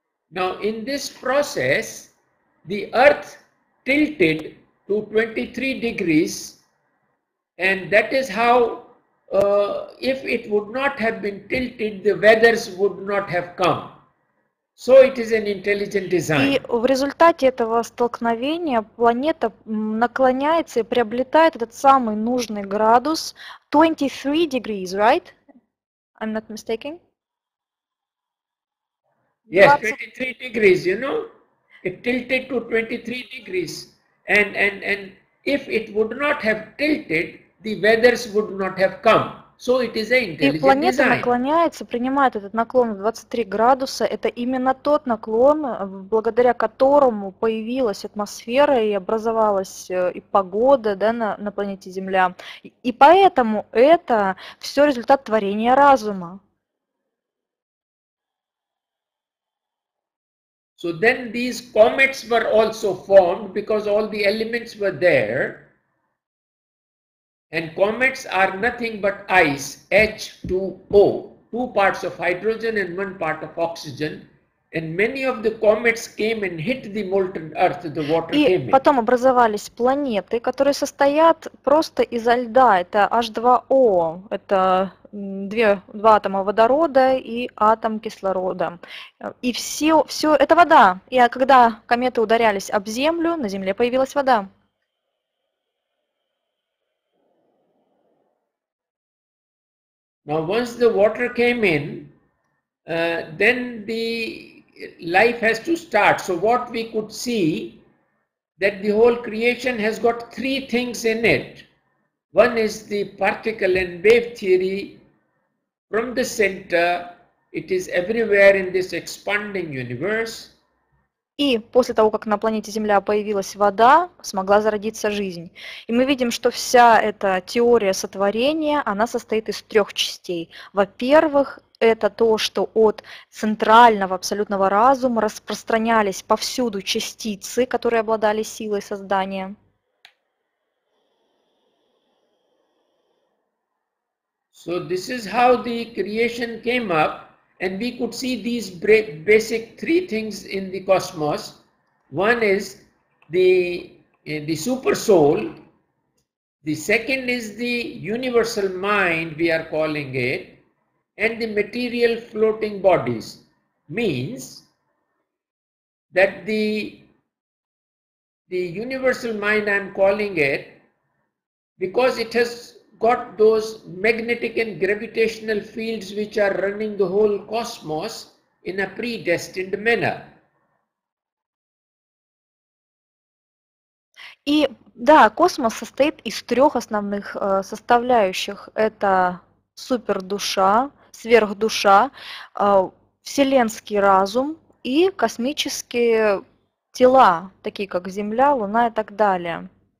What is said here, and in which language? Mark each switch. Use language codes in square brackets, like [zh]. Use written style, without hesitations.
[en] Now, in this process, the Earth tilted to 23 degrees, and that is how, if it would not have been tilted, the weathers would not have come. So it is an intelligent design. [ru] И в результате этого столкновения планета наклоняется и приобретает этот самый нужный градус, [en] 23 degrees, right? I'm not mistaken? Yes, 23 degrees, you know? It tilted to 23 degrees. And if it would not have tilted, the weathers would not have come. So it is [ru] и планета [en] design. [ru] Наклоняется, принимает этот наклон в 23 градуса. Это именно тот наклон, благодаря которому появилась атмосфера и образовалась и погода, да, на планете Земля. И поэтому это все результат творения разума. [en] So then these comets were also formed because all the elements were there. And comets are nothing but ice, H2O, two parts of hydrogen and one part of oxygen. And many of the comets came and hit the molten earth, the water [ru] и [en] came in. [ru] И потом образовались планеты, которые состоят просто из льда. Это H2O, это два атома водорода и атом кислорода. И все это вода. И когда кометы ударялись об Землю, на Земле появилась вода. [en] Now, once the water came in, then the life has to start. So what we could see, that the whole creation has got three things in it. One is the particle and wave theory. From the center, it is everywhere in this expanding universe. [ru] И после того, как на планете Земля появилась вода, смогла зародиться жизнь. И мы видим, что вся эта теория сотворения, она состоит из трех частей. Во-первых, это то, что от центрального абсолютного разума распространялись повсюду частицы, которые обладали силой создания. [en] So this is how the creation came up. And we could see these basic three things in the cosmos. One is the super soul. The second is the universal mind, we are calling it. And the material floating bodies means that the universal mind, I'm calling it, because it has got those magnetic and gravitational fields which are running the whole cosmos in a predestined manner. [ru] И да, космос состоит из трех основных составляющих. Это супердуша, сверхдуша, вселенский разум и космические тела, такие как Земля, Луна и так далее.